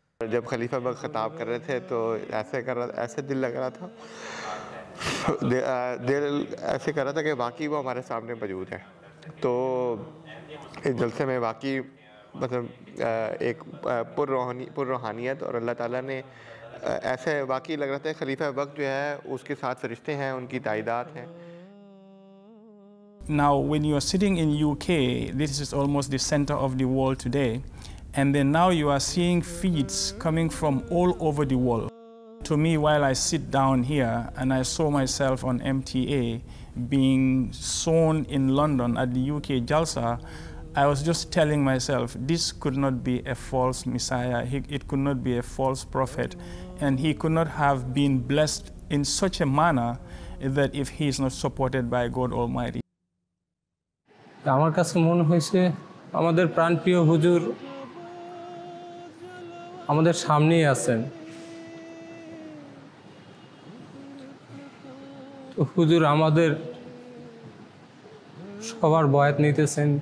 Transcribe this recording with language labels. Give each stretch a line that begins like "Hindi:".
Urdu: جب خلیفہ میں خطاب کر رہے تھے تو ایسے دل لگ رہا تھا دل ایسے کر رہا تھا کہ واقعی وہ ہمارے سامنے موجود ہیں تو اس جلسے میں واقعی مطلب ایک پر روحانیت اور اللہ تعالیٰ نے ایسے واقعی لگ رہا تھا خلیفہ وقت جو ہے اس کے ساتھ فرشتے ہیں ان کی تائیدات ہیں.
English: Now when you are sitting in UK, this is almost the center of the world today, and then now you are seeing feet coming from all over the world. To me, while I sit down here and I saw myself on MTA being sown in London at the UK Jalsa, I was just telling myself, this could not be a false messiah, it could not be a false prophet, and he could not have been blessed in such a manner that if he is not supported by God Almighty.
Bangla: আমার কাছে মনে হয়েছে আমাদের প্রাণপ্রিয় হুজুর আমাদের সামনেই আছেন. তো হুজুর আমাদের সবার বয়াত নিতেছেন.